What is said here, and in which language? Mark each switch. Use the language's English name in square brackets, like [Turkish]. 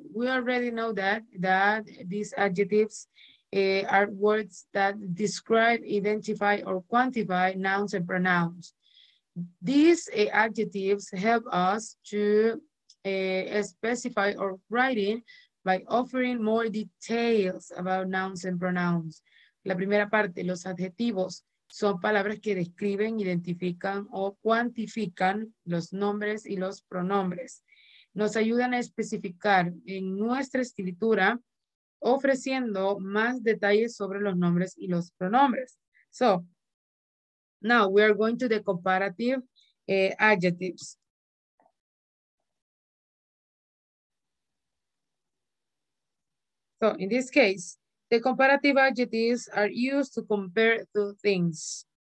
[English] We already know that, these adjectives are words that describe, identify, or quantify nouns and pronouns. These adjectives help us to specify or write in by offering more details about nouns and pronouns. [Spanish] La primera parte, los adjetivos. Son palabras que describen, identifican o cuantifican los nombres y los pronombres. Nos ayudan a especificar en nuestra escritura ofreciendo más detalles sobre los nombres y los pronombres. [English] So, now we are going to the comparative adjectives. So, in this case, the comparative adjectives are used to compare two things.